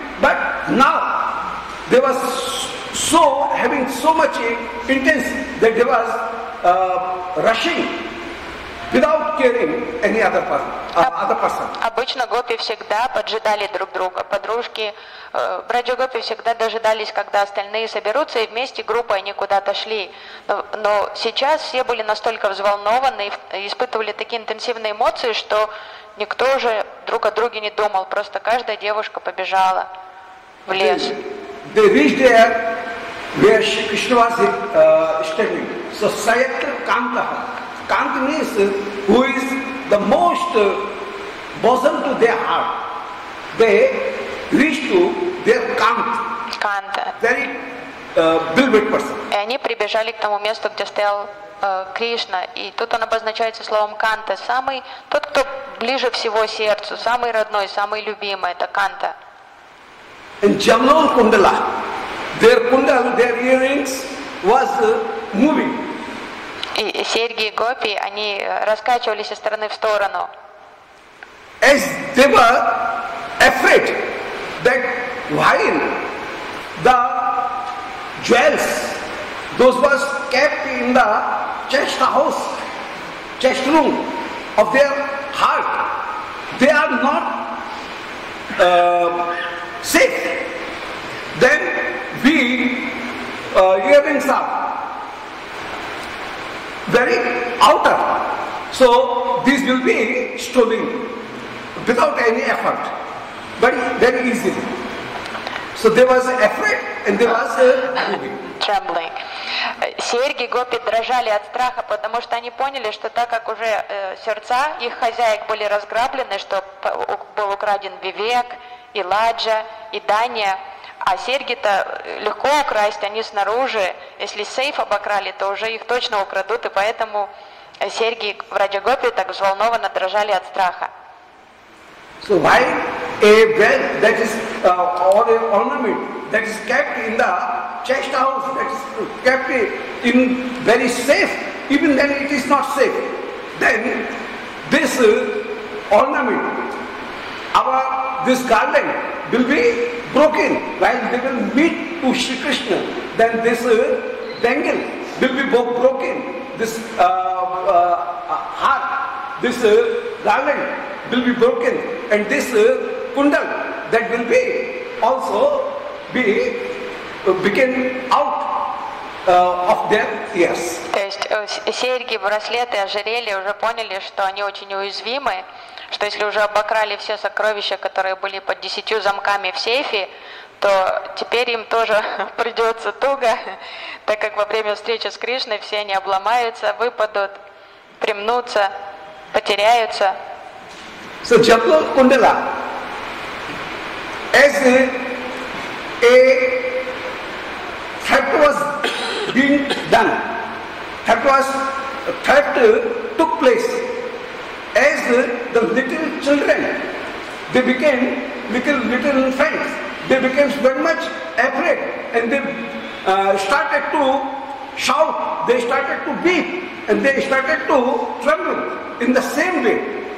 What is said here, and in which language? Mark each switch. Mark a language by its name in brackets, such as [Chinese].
[English] But now they were so having so much intense that they was rushing without caring any other person. [Russian] Обычно гопи всегда поджидали друг друга, подружки. Брадже гопи всегда дожидались, когда остальные соберутся, и вместе группой они куда-то шли. Но сейчас все были настолько взволнованы и испытывали такие интенсивные эмоции, что никто уже друг о друге не думал, просто каждая девушка побежала в лес. [English] They reached there, where Shri Krishna was standing. So Sayatra Kanta. Kanta means who is the most bosom to their heart. They reached to their Kanta. Very beloved person. [Russian] И они прибежали к тому месту, где стоял Кришна. И тут он обозначается словом Канта. Самый, тот, кто ближе всего сердцу, самый родной, самый любимый, это Канта. [English] In Jamnal Kundala, their kundal, their earrings was moving. [Russian] И серьги гопи, они раскачивались из стороны в сторону. [English] As they were afraid that while the jewels, those was kept in the chest house, chest room of their heart, they are not safe. Then we earrings are very outer. So this will be stolen without any effort, but very easily. So there was effort and there was moving. Trembling. [Russian] Серьги гопи дрожали от страха, потому что они поняли, что так как уже сердца их хозяек были разграблены, что был украден Вивек, и Ладжа, и Дания, а серьги-то легко украсть, они снаружи, если сейф обокрали, то уже их точно украдут, и поэтому серьги в Раджа-гопи так взволнованно дрожали от страха. [English] So why a belt that is or an ornament that is kept in the chest house, that is kept in very safe, even then it is not safe. Then this ornament, this garland will be broken while they will meet to Shri Krishna. Then this bangle will be broken. This heart, this garland will be broken, and this kundal that will be also be became out of their ears. [Russian] То есть серьги, браслеты, ожерелья уже поняли, что они очень уязвимы, что если уже обокрали все сокровища, которые были под 10 замками в сейфе, то теперь им тоже придется туго, так как во время встречи с Кришной все они обломаются, выпадут, примнутся, потеряются. [English] So Jamnal Kundala as a theft was being done, theft took place, as the little children, they became little infants, they became very much afraid, and they started to shout, they started to beep, and they started to tremble in the same way.